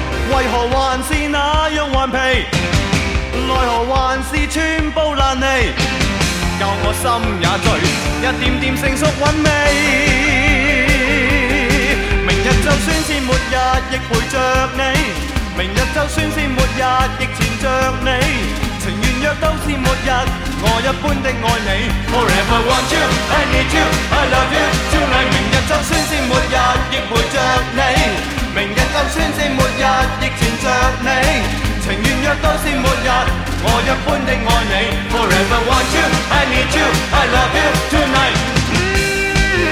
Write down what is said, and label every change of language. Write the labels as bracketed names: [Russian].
[Cantonese] 为何还是那样顽皮，奈何还是寸步难离，教我心也醉，一点点成熟韵味。明日就算是末日亦陪着你，明日就算是末日亦缠着你，情愿若都是末日，我一般的爱你。 [English] Forever want you, I need you, I love you tonight。 [Cantonese] 明日就算是末日亦陪着你，明日就算是末日亦缠着你，情愿若都是末日，我一般的爱你。 [English] Forever want you, I need you, I love you tonight。